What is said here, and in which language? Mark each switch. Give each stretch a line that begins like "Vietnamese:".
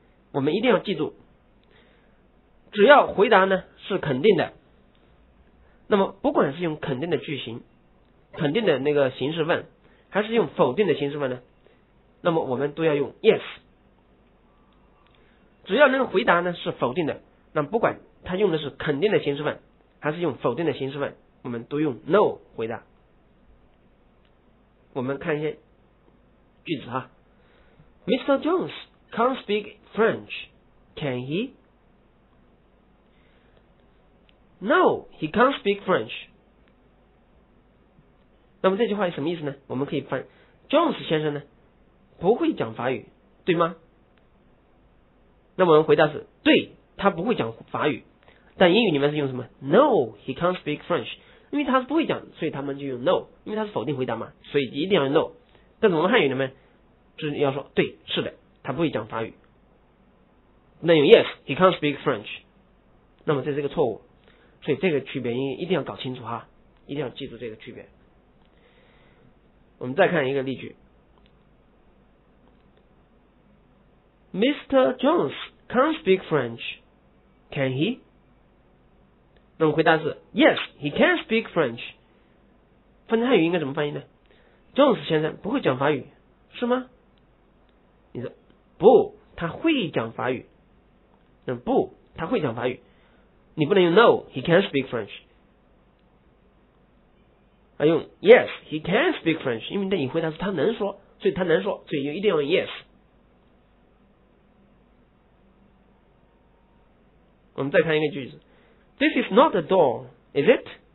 Chinese: 我们一定要记住，只要回答呢是肯定的，那么不管是用肯定的句型，肯定的那个形式问，还是用否定的形式问呢，那么我们都要用 yes。只要能回答呢是否定的，那么不管他用的是肯定的形式问还是用否定的形式问，我们都用 no 回答。我们看一些句子哈， Mr.
English: Jones can't speak French, can he? No, he can't speak French.
Chinese: 那么这句话是什么意思呢？我们可以翻 Jones 先生呢不会讲法语对吗？那我们回答是对，他不会讲法语，但英语里面是用什么？
English: No, he can't speak French.
Chinese: 因为他是不会讲，所以他们就用 no， 因为他是否定回答嘛，所以一定要用 no。但是我们汉语里面就要说对，是的，他不会讲法语，那用
English: yes， he can't speak French，
Chinese: 那么这是一个错误。所以这个区别一定要搞清楚哈，一定要记住这个区别。我们再看一个例句， Mr.
English: Jones can't speak French， can he？
Chinese: 那么回答是
English: Yes, he can speak French。
Chinese: 翻译汉语应该怎么翻译呢？Jones 先生不会讲法语是吗？你说不，他会讲法语。那不，他会讲法语，你不能用
English: No, he can speak French，
Chinese: 而用
English: Yes, he can speak French，
Chinese: 因为你回答是他能说，所以他能说，所以就一定要用 Yes。我们再看一个句子，
English: This is not a door, is it?